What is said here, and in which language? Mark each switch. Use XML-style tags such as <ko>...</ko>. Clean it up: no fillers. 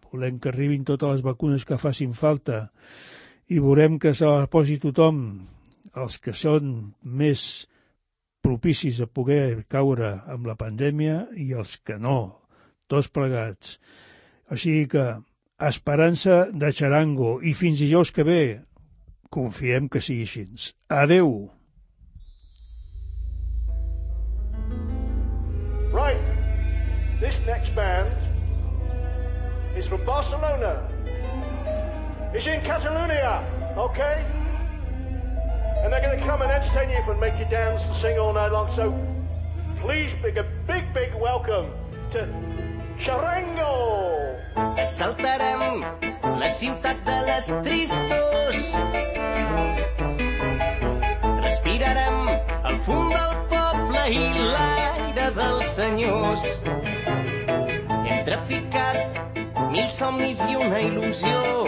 <ca>Volem que arribin totes les vacunes que facin falta i volem que se les posi tothom, els que són més propicis a poder caure amb la pandèmia i els que no, tots plegats. Així que esperança de xarango i fins dijous que ve, confiem que sigui així. Adeu!</ca> <en>Right, this next band is from Barcelona. It's in Catalonia, okay? And they're going to come and entertain you and make you dance and sing all night long. So please, big, a big, big welcome to Xerrengo!</en> <ca>Saltarem la ciutat de les tristos. Respirarem el fum del poble i l'aire dels senyors. Hem traficat mil somnis i una il·lusió.</ca>